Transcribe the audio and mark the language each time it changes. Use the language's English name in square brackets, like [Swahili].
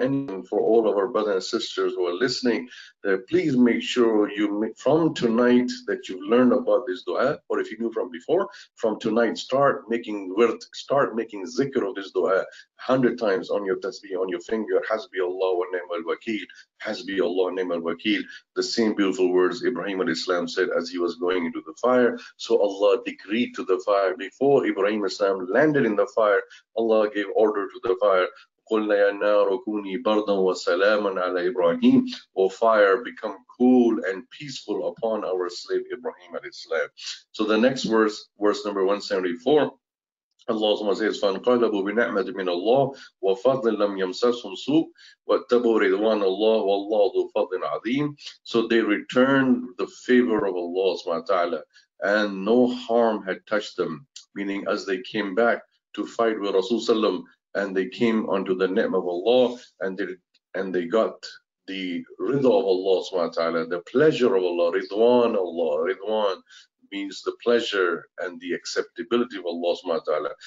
[English] And for all of our brothers and sisters who are listening, please make sure you, from tonight, that you've learned about this dua, or if you knew from before, from tonight, start making wird, start making zikr of this dua 100 times on your tasbih, on your finger. Hasbi Allah wa ni'mal wakeel. Hasbi Allah wa ni'mal wakeel. The same beautiful words Ibrahim al-Islam said as he was going into the fire. So Allah decreed to the fire before Ibrahim al-Islam landed in the fire. Allah gave order to the fire. [Arabic] قلنا يا نار كوني بردا وسلاما على إبراهيم. [English] O fire, become cool and peaceful upon our slave Ibrahim alayhi salam. So the next verse, verse number 174. Allah says, [Arabic] فَانْقَلَبُوا بِنِعْمَةٍ مِنَ اللَّهِ وَفَضْلٍ لَمْ يَمْسَسْهُمْ سُوءٌ وَاتَّبَعُوا رِضْوَانَ اللَّهِ وَاللَّهُ ذُو فَضْلٍ عَظِيمٍ. [English] So they returned the favor of Allah subhanahu wa ta'ala, and no harm had touched them. Meaning, as they came back to fight with Rasul sallam, and they came unto the ni'mah of Allah, and they got the ridha of Allah subhanahu wa ta'ala, the pleasure of Allah, ridwan Allah, ridwan means the pleasure and the acceptability of Allah subhanahu wa ta'ala.